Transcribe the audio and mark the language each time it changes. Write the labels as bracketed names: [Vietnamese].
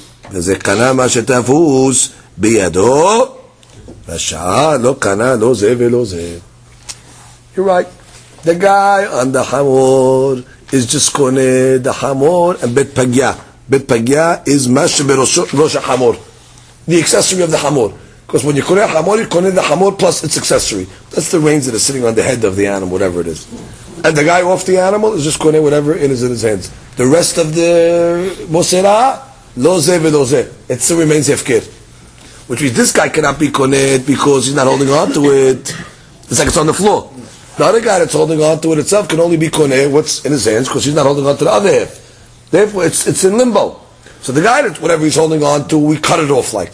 [Hebrew] וזה קנה מה שתפוס בידו השעה לא קנה לא זה ולא זה. [English] You're right. The guy on the חמור is just קונה the חמור and בית פגיה. בית פגיה is מה שבראש החמור. The accessory of the חמור. Because when you קונה החמור, you קונה the חמור plus its accessory. That's the reins that are sitting on the head of the animal, whatever it is. And the guy off the animal is just קונה whatever it is in his hands. The rest of the מוסרה, [Hebrew] לא זה ולא זה. [English] It still remains הפקר. Which means this guy cannot be koneh because he's not holding on to it. It's like it's on the floor. The other guy that's holding on to it itself can only be koneh what's in his hands because he's not holding on to the other half. Therefore, it's in limbo. So the guy that whatever he's holding on to, we cut it off like.